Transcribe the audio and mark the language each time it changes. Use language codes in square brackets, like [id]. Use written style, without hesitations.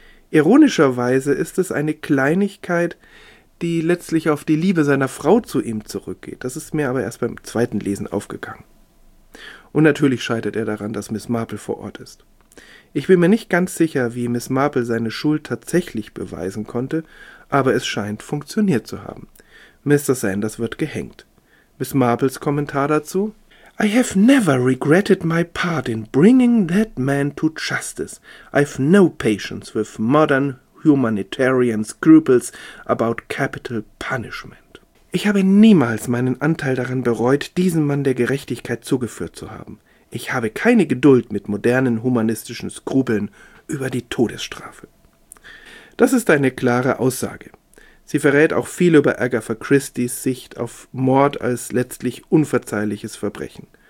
[de] Ironischerweise ist es eine Kleinigkeit, die letztlich auf die Liebe seiner Frau zu ihm zurückgeht. Das ist mir aber erst beim zweiten Lesen aufgegangen. Und natürlich scheitert er daran, dass Miss Marple vor Ort ist. Ich bin mir nicht ganz sicher, wie Miss Marple seine Schuld tatsächlich beweisen konnte, aber es scheint funktioniert zu haben. Mr. Sanders wird gehängt. Miss Marples Kommentar dazu: [en] I have never regretted my part in bringing that man to justice. I've no patience with modern humanitarian scruples about capital punishment. [de] Ich habe niemals meinen Anteil daran bereut, diesen Mann der Gerechtigkeit zugeführt zu haben. Ich habe keine Geduld mit modernen humanistischen Skrupeln über die Todesstrafe. Das ist eine klare Aussage. Sie verrät auch viel über Agatha Christies Sicht auf Mord als letztlich unverzeihliches Verbrechen.